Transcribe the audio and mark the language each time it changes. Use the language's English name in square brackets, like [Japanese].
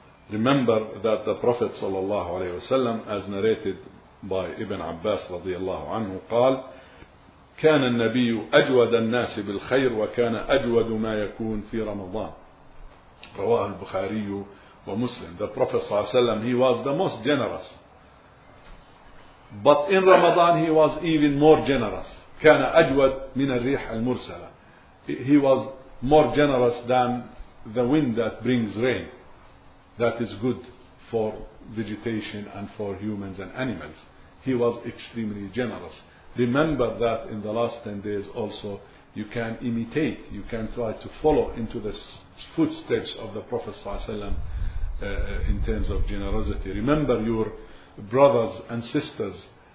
[English] Remember that the Prophet sallallahu alaihi wasallam, as narrated by Ibn Abbas [Arabic] رضي الله عنه, قال كان النبي أجود الناس بالخير وكان أجود ما يكون في رمضان. رواه البخاري ومسلم. [English] The Prophet [Arabic] صلى الله عليه وسلم, [English] he was the most generous, but in Ramadan he was even more generous. [Arabic] كان أجود من الريح المرسلة. [English] He was more generous than the wind that brings rain. That is good for vegetation and for humans and animals. He was extremely generous. Remember that in the last 10 days also, you can imitate, you can try to follow into the footsteps of the Prophet ﷺ in terms of generosity. Remember your brothers and sisters